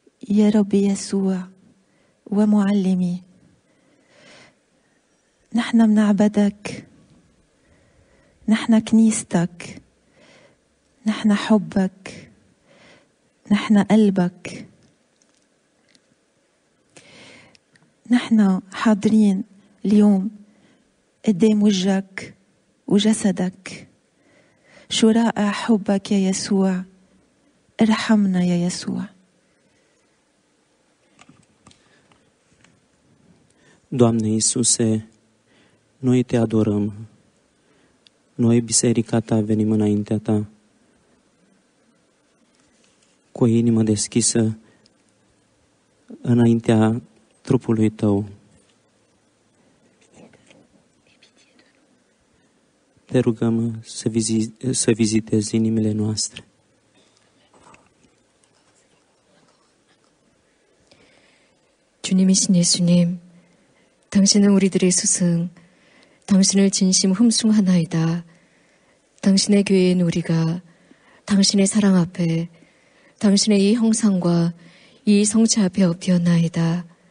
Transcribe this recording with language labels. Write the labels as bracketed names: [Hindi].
[Arabic] يا رب يسوع ومعلمي، نحن منعبدك، نحن كنيستك، نحن حبك، نحن قلبك، نحن حاضرين اليوم قدام وجهك وجسدك. شو رائع حبك يا يسوع، ارحمنا يا يسوع. [Romanian] Doamne Iisuse, noi Te adorăm, noi, Biserica Ta, venim înaintea Ta cu o inimă deschisă înaintea trupului Tău. Te rugăm să vizitezi inimile noastre. [Korean] 주님이신 예수님, 당신은 우리들의 스승, 당신을 진심 흠숭하나이다. 당신의 교회인 우리가 당신의 사랑 앞에, 당신의 이 형상과 이 성체 앞에 엎드렸나이다.